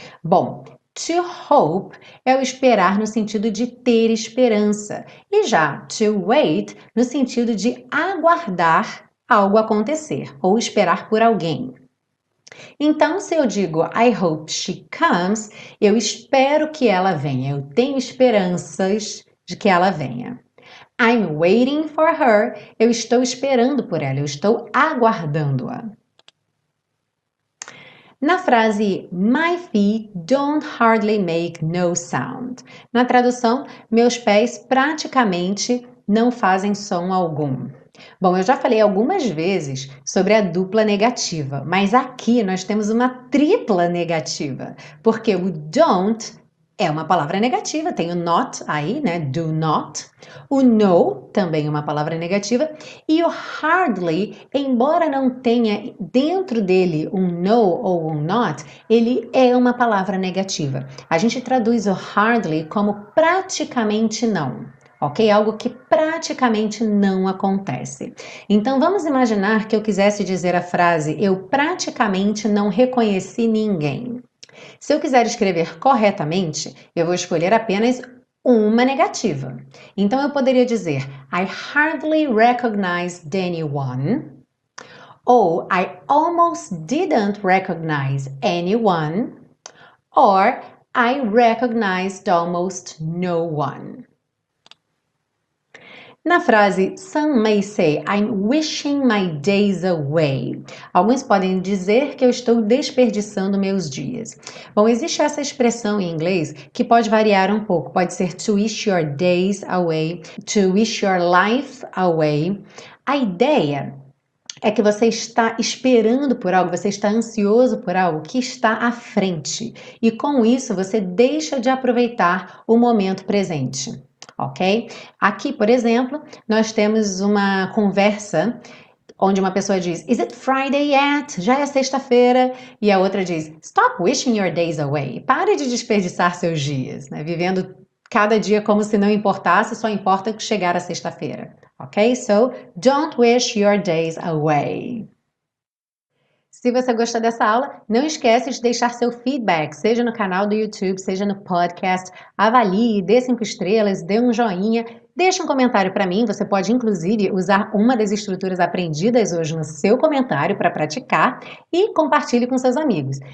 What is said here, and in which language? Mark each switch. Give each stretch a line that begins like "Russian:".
Portuguese: Bom, to hope é o esperar no sentido de ter esperança, e já to wait no sentido de aguardar algo acontecer ou esperar por alguém. Então, se eu digo
English: I hope she comes,
Portuguese: eu espero que ela venha, eu tenho esperanças de que ela venha.
English: I'm waiting for her,
Portuguese: eu estou esperando por ela, eu estou aguardando-a. Na frase
English: My feet don't hardly make no sound.
Portuguese: Na tradução, meus pés praticamente não fazem som algum. Bom, eu já falei algumas vezes sobre a dupla negativa, mas aqui nós temos uma tripla negativa, porque o don't é uma palavra negativa, tem o not aí, né? Do not. O no também é uma palavra negativa. E o hardly, embora não tenha dentro dele um no ou um not, ele é uma palavra negativa. A gente traduz o hardly como praticamente não, ok? Algo que praticamente não acontece. Então vamos imaginar que eu quisesse dizer a frase: eu praticamente não reconheci ninguém. Se eu quiser escrever corretamente, eu vou escolher apenas uma negativa. Então eu poderia dizer
English: I hardly recognized anyone, ou I almost didn't recognize anyone, or I recognized almost no one.
Portuguese: Na frase
English: Some may say I'm wishing my days away.
Portuguese: Alguns podem dizer que eu estou desperdiçando meus dias. Bom, existe essa expressão em inglês que pode variar um pouco. Pode ser
English: to wish your days away, to wish your life away.
Portuguese: A ideia é que você está esperando por algo, você está ansioso por algo que está à frente. E com isso você deixa de aproveitar o momento presente. Ok? Aqui, por exemplo, nós temos uma conversa onde uma pessoa diz:
English: Is it Friday yet?
Portuguese: Já é sexta-feira. E a outra diz:
English: Stop wishing your days away.
Portuguese: Pare de desperdiçar seus dias, né? Vivendo cada dia como se não importasse, só importa chegar à sexta-feira. Ok?
English: So, don't wish your days away.
Portuguese: Se você gostou dessa aula, não esquece de deixar seu feedback, seja no canal do YouTube, seja no podcast. Avalie, dê 5 estrelas, dê um joinha, deixe um comentário para mim. Você pode, inclusive, usar uma das estruturas aprendidas hoje no seu comentário para praticar e compartilhe com seus amigos.